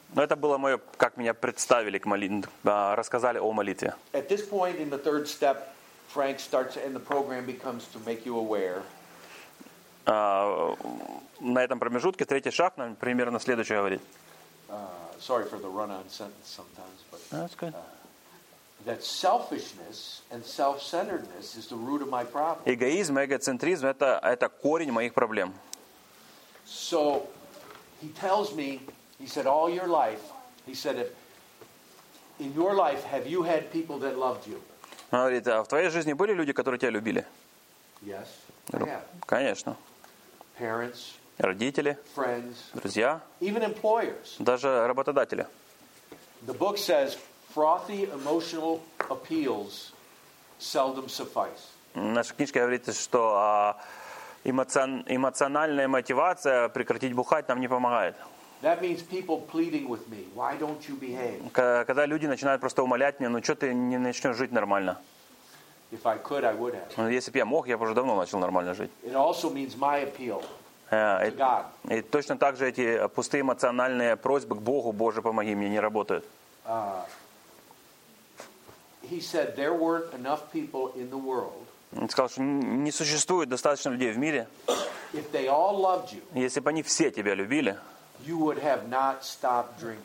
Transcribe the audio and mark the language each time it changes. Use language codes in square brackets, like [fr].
[ru] Но это было мое, как меня представили к молитве, рассказали о молитве. [en] At this point in the third step, Frank starts and the program becomes to make you aware. [ru] На этом промежутке третий шаг, нам примерно следующее говорит. [en] Sorry for the run-on sentence sometimes, but that's good. That selfishness and self-centeredness is the root of my problem. [ru] Эгоизм, эгоцентризм – это корень моих проблем. [en] So he tells me, he said, all your life, he said, if in your life have you had people that loved you? [ru] Он говорит, а в твоей жизни были люди, которые тебя любили? [en] Yes. [ru] Конечно. [en] Parents. [ru] Родители, [en] friends, [ru] друзья, [en] even employers. [ru] Даже работодатели. [en] The book says frothy emotional appeals seldom suffice. [ru] Наша книжка говорит, что эмоциональная мотивация прекратить бухать нам не помогает. [en] That means people pleading with me, why don't you behave? [ru] Когда люди начинают просто умолять меня, ну что ты не начнешь жить нормально? [en] If I could, I would have. [ru] Если бы я мог, я бы уже давно начал нормально жить. [en] It also means my appeal. [ru] И точно так же эти пустые эмоциональные просьбы к Богу, Боже, помоги мне, не работают. [en] He said there weren't enough people in the world. [ru] Он сказал, что не существует достаточно людей в мире. [en] If they all loved you. [ru] Если бы они все тебя любили. [en] You would have not stopped drinking.